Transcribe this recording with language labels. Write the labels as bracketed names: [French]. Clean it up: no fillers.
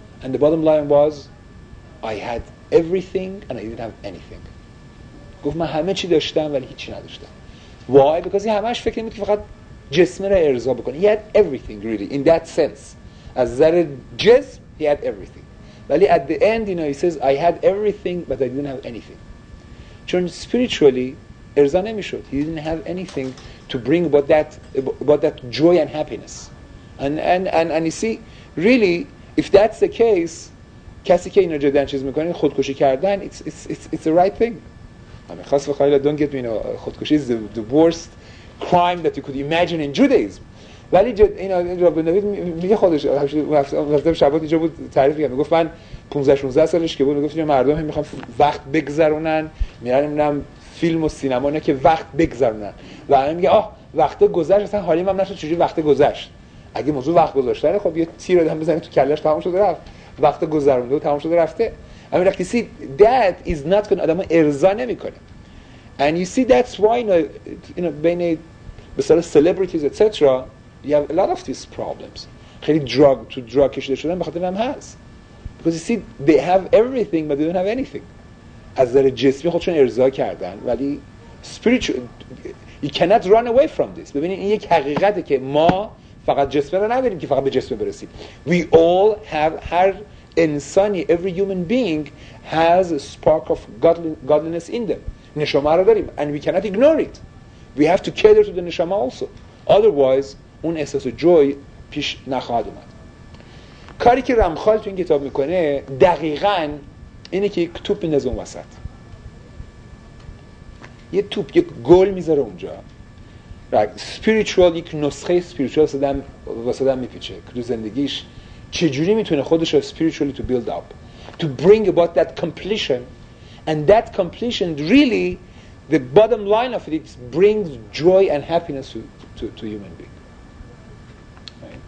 [English] And the bottom line was I had everything and I didn't have anything. [Persian] گفت من همه چی داشتم ولی هیچی نداشتم. [English] Why? Because he [Persian] همش فکر می‌کرد که فقط جسم را ارضا بکنه. [English] He had everything really in that sense. [Persian] از نظر جسم [English] he had everything. [Persian] ولی [English] at the end he says I had everything but I didn't have anything. [Persian] چون spiritually ارضا نمی‌شد. [English] He didn't have anything to bring about that joy and happiness. And you see really if that's the case [Persian] کسی که اینو جدی چیز می‌کنه خودکشی کردن [English] it's the right thing. I mean, don't get me, خودکشی is the worst crime that you could imagine in Judaism. [Persian] ولی رابین داوید میگه خودش رفته به شبات اینجا بود تعریف میگه میگفت من 15-16 سالش که بود میگفت مردم هم میخوام وقت بگذرونن میرن میرنم فیلم و سینما اینا که وقت بگذرونن و همه میگه آه وقت گذشت اصلا حالی من نشد چجوری وقت گذشت اگه موضوع وقت گذاشتنه خب یه تیر آدم بزنی تو کلش تمام شده رفت وقت گذرونده و تمام شده رفته. [English] I mean, like you see, that is not going to [Persian] آدم ارضا نمیکنه. [English] And you see, that's why, [Persian] بین مثلا [English] celebrities, etc., you have a lot of these problems. [Persian] خیلی [English] drug to drug [Persian] کشیده شدن بخاطر هم هست. [English] Because you see, they have everything, but they don't have anything. [Persian] از نظر جسمی خودشون ارضا کردن. ولی [English] spiritual, you cannot run away from this. [Persian] ببینید این یک حقیقته که ما فقط جسم را نبینیم که فقط به جسم برسیم. [English] We all have [Persian] هر انسانی [English] every human being has a spark of godliness in them. [Persian] نشامه رو داریم [English] and we cannot ignore it. We have to cater to the نشامه also. [Persian] Otherwise اون احساس جوی پیش نخواهد اومد. کاری که رمخال تو این کتاب میکنه دقیقاً اینه که یک توپ میندازه اون وسط. یه توپ یک گل میذاره اونجا. Right. Spiritual یک نسخه spiritual وسطم میپیچه. که تو زندگیش چجوری میتونه خودش رو [English] spiritually to build up to bring about that completion and that completion really the bottom line of it brings joy and happiness to human being. Right.